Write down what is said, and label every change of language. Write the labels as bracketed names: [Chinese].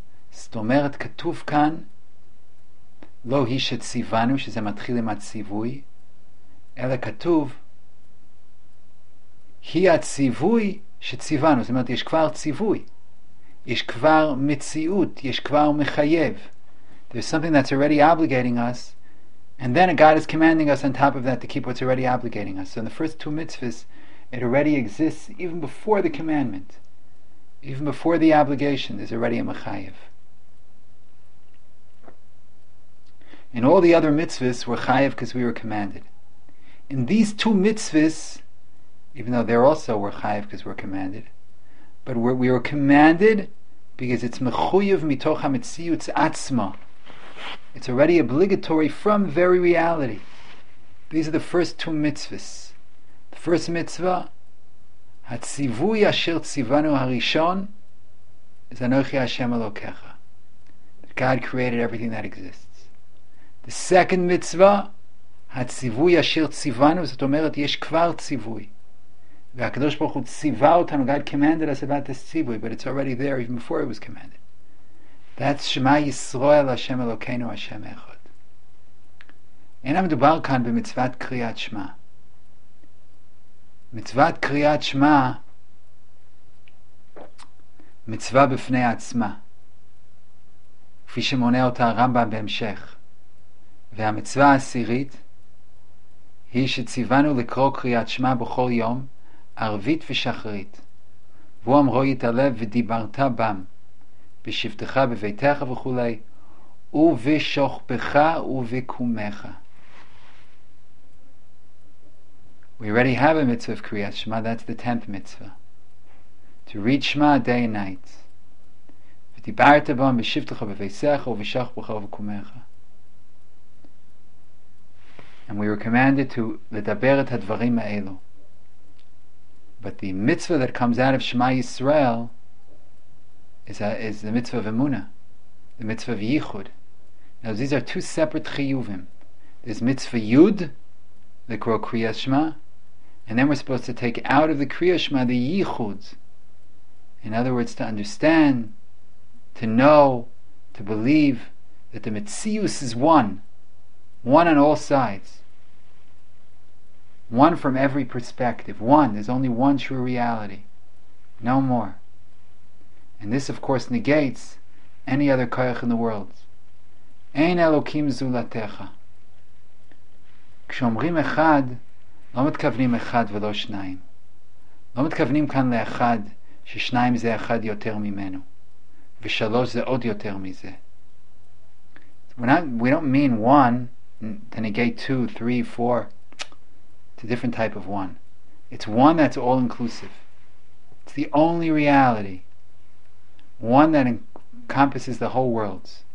[Hebrew] זאת אומרת, כתוב כאן, לא היא שציוונו, שזה מתחיל עם הציווי, אלא כתוב, היא הציווי שציוונו, זאת אומרת, יש כבר ציווי, יש כבר מציאות, יש כבר מחייב. [English] There's something that's already obligating us, and then God is commanding us on top of that to keep what's already obligating us. So in the first two mitzvahs, it already exists even before the commandment, even before the obligation, there's already a mechayev. In all the other mitzvahs, we're chayev because we were commanded. In these two mitzvahs, even though they're also were chayiv because we're commanded, but we were commanded because it's mechuyiv mitoch hametziyut atzma. It's already obligatory from very reality. These are the first two mitzvahs. The first mitzvah, [Hebrew] hatzivui asher tzivanu harishon, [English] is anochi Hashem Elokecha. God created everything that exists. The second mitzvah, [Hebrew] hatzivui asher tzivanu, zot omeret yesh kvar tzivui. והקדוש ברוך הוא ציווה אותנו, [English] God commanded us about this ציווי, but it's already there even before it was commanded. [Hebrew] That's שמה ישראל השם אלוקינו השם אחד. אין המדובר כאן במצוות קריאת שמה. מצוות קריאת שמה, מצווה בפני עצמה, כפי שמונה אותה הרמב״ם בהמשך. והמצווה העשירית, היא שציוונו לקרוא קריאת שמה בכל יום, ערבית ושחרית. והוא אמרו יתעלב ודיברת בם בשבתך בביתך וכולי ובשוכבך ובקומך. [English] We already have a mitzvah of Kriyat Shema, that's the 10th mitzvah. To read Shema day and night. [Hebrew] ודיברת בם בשבתך בביתך ובשוכבך ובקומך. [English] And we were commanded to [Hebrew] לדבר את הדברים האלו. [English] But the mitzvah that comes out of Shema Yisrael is the mitzvah of Emunah, the mitzvah of Yichud. Now these are two separate chiyuvim. There's mitzvah Yud, the Kro Kriya Shema, and then we're supposed to take out of the Kriya Shema the Yichud. In other words, to understand, to know, to believe that the Metzius is one, one on all sides. One from every perspective. One. There's only one true reality. No more. And this, of course, negates any other koyach in the world. [Hebrew] Ein Elokim zulatecha. Kshomrim echad, lo mitkavnim echad velo shnayim. Lo mitkavnim kan leechad, ששניים זה אחד יותר ממנו, ושלוש זה עוד יותר מזה. [English] We don't mean one to negate two, three, four. It's a different type of one. It's one that's all-inclusive. It's the only reality. One that encompasses the whole world.